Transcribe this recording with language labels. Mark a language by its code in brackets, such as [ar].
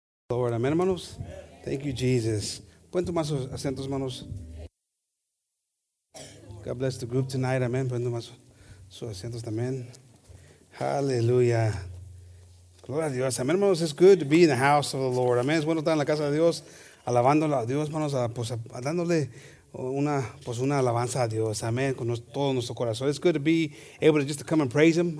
[en] Lord, amen, hermanos. Thank you, Jesus. [es] Pon tu mano, asientos, hermanos. [en] God bless the group tonight. Amen. [es] Pon tu mano, sus asientos también. Hallelujah. Gloria a Dios. Amen, hermanos. [en] It's good to be in the house of the Lord. Amen. [es] Es bueno estar en la casa de Dios, alabando a Dios, hermanos, pues, dándole una alabanza a Dios. Amen. Con todo nuestro corazón. [en] It's good to be able to just to come and praise Him.